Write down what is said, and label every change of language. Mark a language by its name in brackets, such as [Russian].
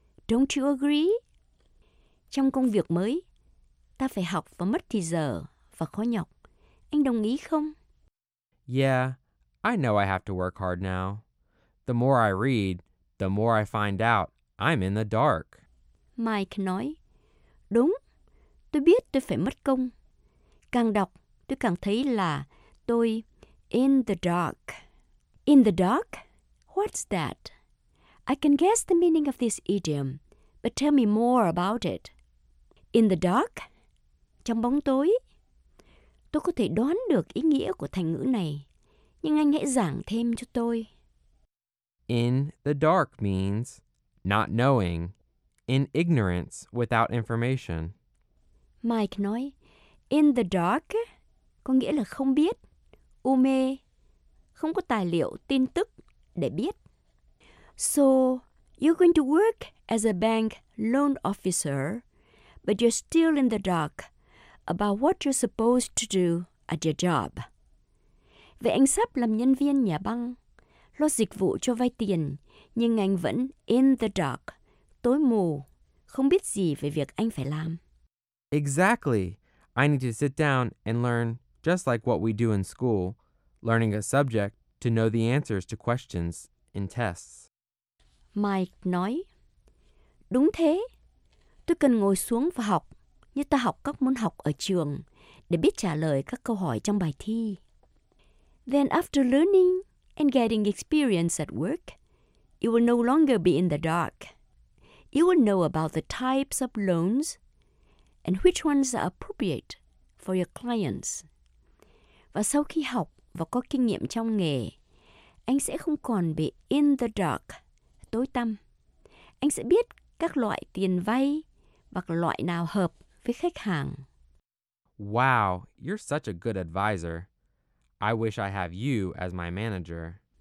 [English] Don't you agree? [Vietnamese] Trong công việc mới, ta phải học và mất thì giờ và khó nhọc. Anh đồng ý không? [English] Yeah, I know I have to work hard now. The more I read, the more I find out I'm in the dark. [Vietnamese] Mike nói, đúng, tôi biết tôi phải mất công. Càng đọc, tôi càng thấy là tôi [English] in the dark. In the dark? What's that? I can guess the meaning of this idiom, but tell me more about it. In the dark? [Vietnamese] Trong bóng tối, tôi có thể đoán được ý nghĩa của thành ngữ này, nhưng anh hãy giảng thêm cho tôi. [English] In the dark means not knowing, in ignorance without information. [Vietnamese] Mike nói, [English] in the dark [Vietnamese] có nghĩa là không biết, u mê, không có tài liệu, tin tức để biết. [English] So, you're going to work as a bank loan officer, but you're still in the dark about what you're supposed to do at your job. [Vietnamese] Vậy anh sắp làm nhân viên nhà băng, lo dịch vụ cho vay tiền, nhưng anh vẫn [English] in the dark, [Vietnamese] tối mù, không biết gì về việc anh phải làm. [English] Exactly. I need to sit down and learn, just like what we do in school, learning a subject to know the answers to questions in tests. [Vietnamese] Mike nói, đúng thế. Tôi cần ngồi xuống và học, như ta học các môn học ở trường, để biết trả lời các câu hỏi trong bài thi. [English] Then after learning and getting experience at work, you will no longer be in the dark. You will know about the types of loans and which ones are appropriate for your clients. [Vietnamese] Và sau khi học và có kinh nghiệm trong nghề, anh sẽ không còn bị [English] in the dark, [Vietnamese] tối tăm. Anh sẽ biết các loại tiền vay và loại nào hợp với khách hàng. [English] Wow, you're such a good advisor. I wish I have you as my manager.